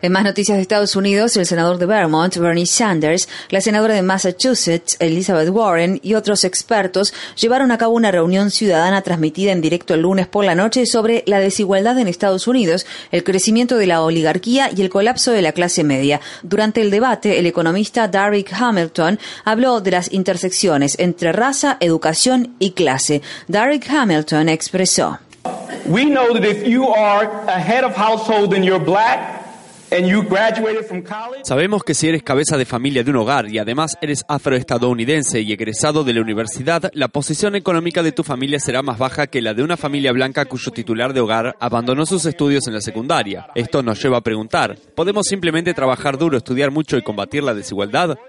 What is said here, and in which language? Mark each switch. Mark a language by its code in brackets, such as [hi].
[es] En más noticias de Estados Unidos, el senador de Vermont, Bernie Sanders, la senadora de Massachusetts, Elizabeth Warren, y otros expertos llevaron a cabo una reunión ciudadana transmitida en directo el lunes por la noche sobre la desigualdad en Estados Unidos, el crecimiento de la oligarquía y el colapso de la clase media. Durante el debate, el economista Derek Hamilton habló de las intersecciones entre raza, educación y clase. Derek Hamilton expresó: [en] "We know that if you are a head of household and you're black and you graduated from college." [es] Sabemos que si eres cabeza de familia de un hogar y además eres afroestadounidense y egresado de la universidad, la posición económica de tu familia será más baja que la de una familia blanca cuyo titular de hogar abandonó sus estudios en la secundaria. Esto nos lleva a preguntar: ¿podemos simplemente trabajar duro, estudiar mucho y combatir la desigualdad?